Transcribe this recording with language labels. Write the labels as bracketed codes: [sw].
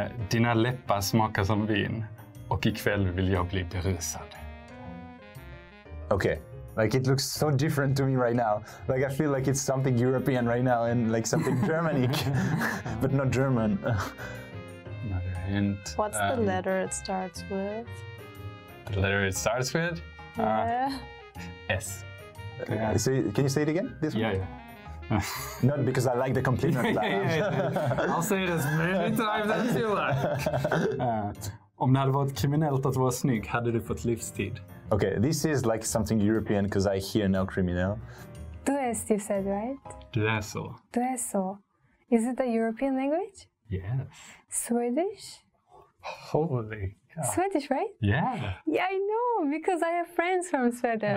[sv] Dina läppar smakar som vin och ikväll vill jag bli berusad. [en] Okay, like it looks so different to me right now. Like I feel like it's something European right now and like something Germanic, but not German. Hint. What's the letter it starts with? The letter it starts with? S. Can you say it again? This one? Yeah. Not because I like the compliment. Yeah. I'll say it as many times as you like. [sv] Om det hade varit kriminellt att vara snygg, hade du fått livstid. [en] Okay, this is like something European because I hear no criminal. [sv] Du är så, [en] you said, right? [sv] Du är så. Du är så. [en] Is it a European language? Yes. Swedish? Holy cow. Swedish, right? Yeah. Yeah, I know, because I have friends from Sweden.